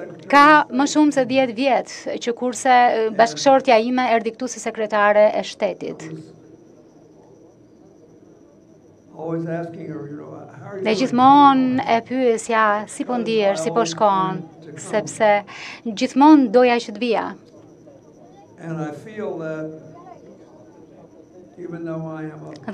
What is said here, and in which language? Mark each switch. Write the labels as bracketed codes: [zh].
[sq] Ka më shumë se 10 vjet që kurse bashkëshortja ime erdhi këtu si sekretare e shtetit. [en] Always asking her, you know, how are you? [sq] Dhe gjithmonë e pyesja si po ndihesh, si po shkon, sepse gjithmonë doja që të vija. [en] And I feel that even though I am a